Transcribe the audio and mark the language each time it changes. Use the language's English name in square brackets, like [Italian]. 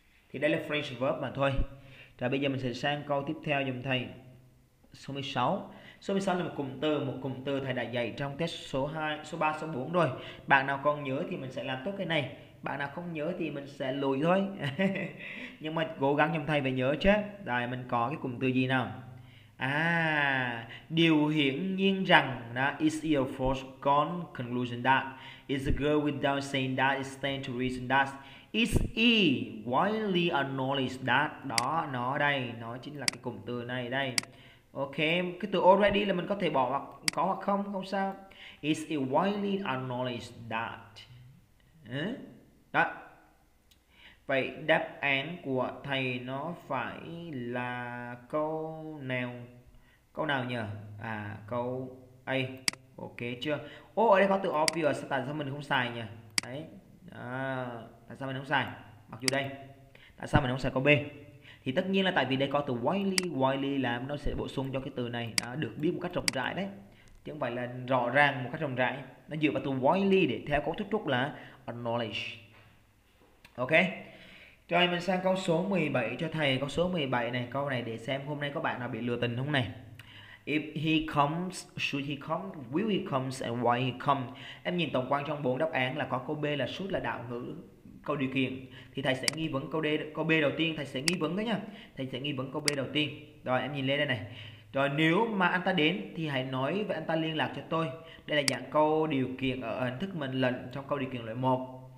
[Vietnamese] Thì đây là phrase verb mà thôi. Rồi bây giờ mình sẽ sang câu tiếp theo giùm thầy, số 16. Số 16 là một cụm từ thầy đã dạy trong test số 2, số 3, số 4 rồi. Bạn nào còn nhớ thì mình sẽ làm tốt cái này, bạn nào không nhớ thì mình sẽ lùi thôi. Nhưng mà cố gắng trong thầy phải nhớ chứ. Đây mình có cái cụm từ gì nào? [English] À, [Vietnamese] điều hiển nhiên rằng đó, [English] it's a foregone conclusion that, it's a go without saying that, it stands to reason that, it's widely acknowledged that. [Vietnamese] Đó, nó đây, nó chính là cái cụm từ này đây. Ok, cái từ already là mình có thể bỏ hoặc có hoặc không, không sao. [English] It's a widely acknowledged that. Đó. [Vietnamese] Vậy đáp án của thầy nó phải là câu nào nhỉ? À, câu A. Ok chưa? Ô, ở đây có từ obvious, tại sao mình không xài nhỉ? Đấy. À, tại sao mình không xài? Mặc dù đây. Tại sao mình không xài câu B? Thì tất nhiên là tại vì đây có từ widely làm nó sẽ bổ sung cho cái từ này đó, được biết một cách rộng rãi đấy. Chứ không phải là rõ ràng một cách rộng rãi. Nó dựa vào từ widely để theo cấu trúc trúc là knowledge. Ok. Rồi mình sang câu số 17 cho thầy. Câu số 17 này, câu này để xem hôm nay có bạn nào bị lừa tình không này. [English] If he comes, should he come, will he come and why he come. [Vietnamese] Em nhìn tổng quan trong bốn đáp án là có câu B là should là đạo ngữ, câu điều kiện. Thì thầy sẽ nghi vấn câu B đầu tiên, thầy sẽ nghi vấn đấy nha. Thầy sẽ nghi vấn câu B đầu tiên. Rồi em nhìn lên đây này. Rồi nếu mà anh ta đến thì hãy nói với anh ta liên lạc cho tôi. Đây là dạng câu điều kiện ở hình thức mệnh lệnh trong câu điều kiện loại 1.